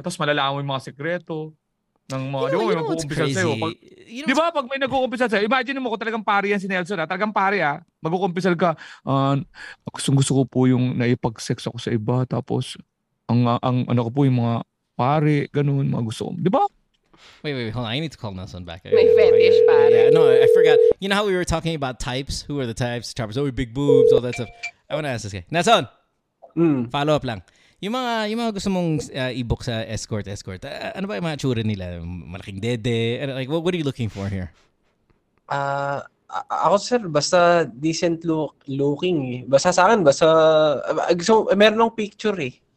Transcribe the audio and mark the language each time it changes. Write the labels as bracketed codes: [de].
[tl] Tapos malalaan mo yung mga sekreto ng mga, [en] you know, [tl] di ba, mag-uumpisa sa'yo. Di ba, pag may nag-uumpisa sa'yo, imagine mo kung talagang pari yan si Nelson, ha? Talagang pari, ha? Mag-uumpisa ka, gusto ko po yung naipag-sex ako sa iba, tapos ang ano ko po yung mga pari, gano'n, mga gusto ko. Di ba? [en] Wait, hold on. I need to call Nelson back. My fetish, buddy. Yeah, no, I forgot. You know how we were talking about types? Who are the types? Choppers, oh, big boobs, all that stuff. I want to ask this guy. [tl] Nelson, follow up lang. Yung mga gusto mong i-book sa escort, ano ba yung mga tsura nila? Malaking dede? [en] Like, what are you looking for here? [tl] Ako, sir, basta decent looking. Basta sa akin, meron ng picture eh.